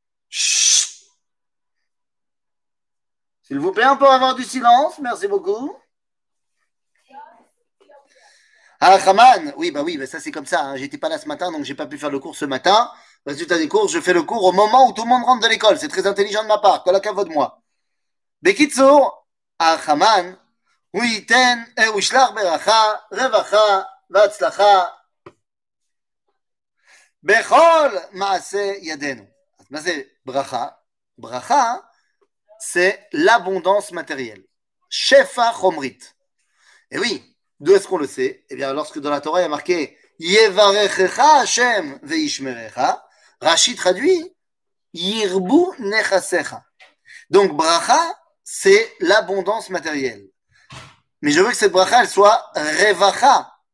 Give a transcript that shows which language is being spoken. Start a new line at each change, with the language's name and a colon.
French: S'il vous plaît, on peut avoir du silence. Merci beaucoup. Ahaman. Oui, bah ça c'est comme ça. Hein. J'étais pas là ce matin, donc j'ai pas pu faire le cours ce matin. Résultat des courses, je fais le cours au moment où tout le monde rentre de l'école. C'est très intelligent de ma part. Colloque à vous de moi.
Hebrew: בקיצור, החמן, הוא ייתן, הוא ישלח ברכה, רווחה והצלחה בכל מעשה ידינו. אז מה זה ברכה? ברכה זה
French: l'abondance matérielle,
Hebrew: שפע חומרית.
French: Et oui, d'où est-ce qu'on le sait? Eh bien, lorsque dans la Torah il y a marqué Yevarechecha Hashem veishmerecha, Rashi traduit Yirbu nechasecha. Donc, bracha, c'est l'abondance matérielle. Mais je veux que cette bracha, elle soit revacha.